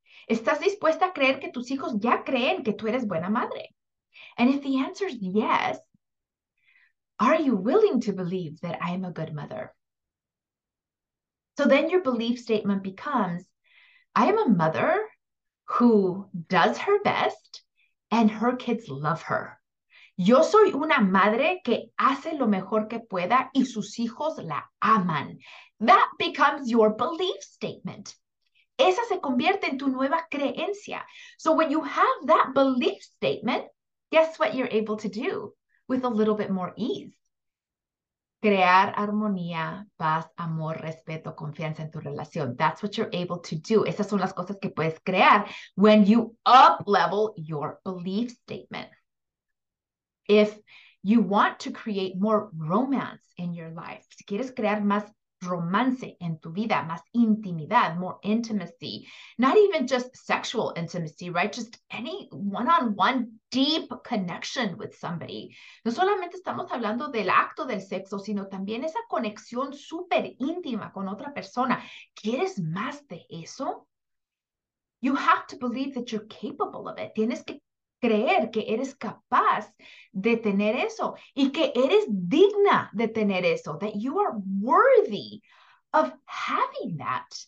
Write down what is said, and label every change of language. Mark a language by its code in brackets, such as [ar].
[es] ¿Estás dispuesta a creer que tus hijos ya creen que tú eres buena madre? [en] And if the answer is yes, are you willing to believe that I am a good mother? So then your belief statement becomes, I am a mother who does her best and her kids love her. [es] Yo soy una madre que hace lo mejor que pueda y sus hijos la aman. [en] That becomes your belief statement. [es] Esa se convierte en tu nueva creencia. [en] So when you have that belief statement, guess what you're able to do with a little bit more ease? [es] Crear armonía, paz, amor, respeto, confianza en tu relación. [en] That's what you're able to do. [es] Esas son las cosas que puedes crear [en] when you up-level your belief statement. If You want to create more romance in your life. [es] Si quieres crear más romance en tu vida, más intimidad, [en] more intimacy, not even just sexual intimacy, right? Just any one-on-one deep connection with somebody. [es] No solamente estamos hablando del acto del sexo, sino también esa conexión súper íntima con otra persona. ¿Quieres más de eso? [en] You have to believe that you're capable of it. [es] Tienes que creer que eres capaz de tener eso y que eres digna de tener eso, [en] that you are worthy of having that.